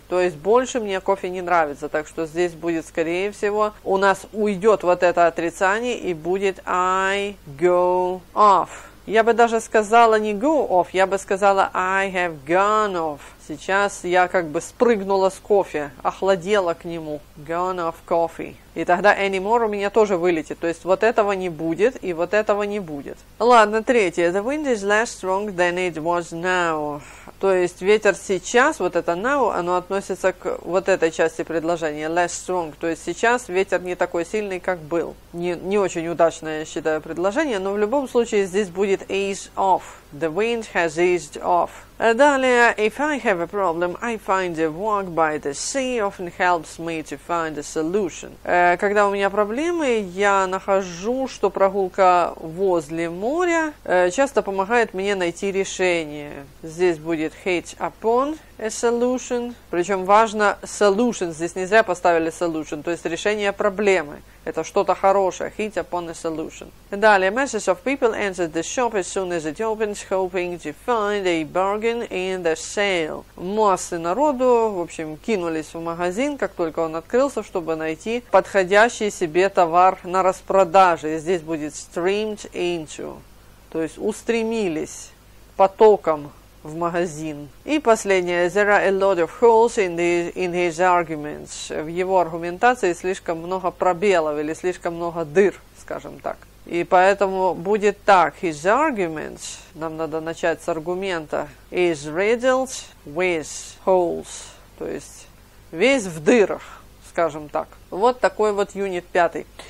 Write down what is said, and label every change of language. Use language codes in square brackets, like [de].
[ru] То есть больше мне кофе не нравится. Так что здесь будет, скорее всего, у нас уйдет вот это отрицание и будет I go off. Я бы даже сказала не go off, я бы сказала I have gone off. Сейчас я как бы спрыгнула с кофе, охладела к нему. [en] Gone off coffee. [ru] И тогда anymore у меня тоже вылетит. То есть вот этого не будет и вот этого не будет. Ладно, третье. [en] The wind is less strong than it was now. [ru] То есть ветер сейчас, вот это now, оно относится к вот этой части предложения. [en] Less strong. [ru] То есть сейчас ветер не такой сильный, как был. Не очень удачное, я считаю, предложение. Но в любом случае здесь будет ease off. [en] The wind has eased off. [ru] Далее, [en] if I have a problem, I find a walk by the sea often helps me to find a solution. [ru] Когда у меня проблемы, я нахожу, что прогулка возле моря часто помогает мне найти решение. Здесь будет [en] hit upon a solution. [ru] Причем важно solution, здесь не зря поставили solution, то есть решение проблемы. Это что-то хорошее. [en] Hit upon a solution. [ru] Далее. [en] Masses of people entered the shop as soon as it opened, hoping to find a bargain in the sale. [ru] Массы народу, в общем, кинулись в магазин, как только он открылся, чтобы найти подходящий себе товар на распродаже. И здесь будет streamed into. То есть устремились потоком в магазин. И последнее. [en] There are a lot of holes in his arguments. [ru] В его аргументации слишком много пробелов или слишком много дыр, скажем так. И поэтому будет так. [en] His arguments, [ru] нам надо начать с аргумента, [en] is riddled with holes. [ru] То есть весь в дырах, скажем так. Вот такой вот юнит пятый.